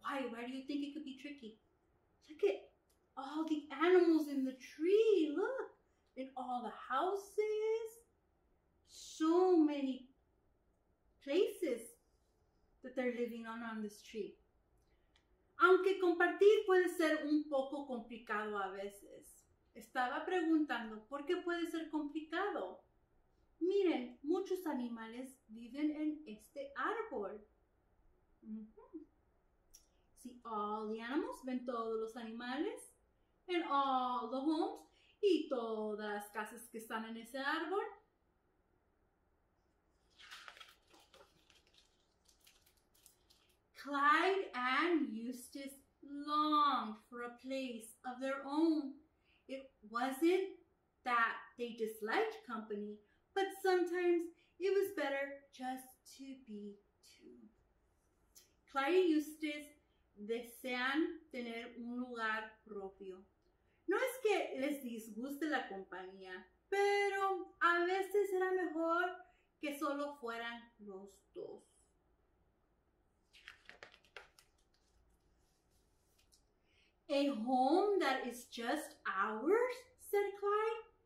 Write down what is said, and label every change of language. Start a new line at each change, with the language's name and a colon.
English: Why do you think it could be tricky? Look at all the animals in the tree, look. In all the houses. So many places that they're living on this tree.
Spanish: Aunque compartir puede ser un poco complicado a veces. Estaba preguntando, ¿por qué puede ser complicado? Miren, muchos animales viven en este árbol.
English: See all the animals,
Spanish: ven todos los animales,
English: and all the homes,
Spanish: y todas las casas que están en ese árbol.
English: Clyde Clyde and Eustace longed for a place of their own. It wasn't that they disliked company, but sometimes it was better just to be two.
Spanish: Clyde y Eustace desean tener un lugar propio. No es que les disguste la compañía, pero a veces era mejor que solo fueran los dos.
English: A home that is just ours, said Clyde.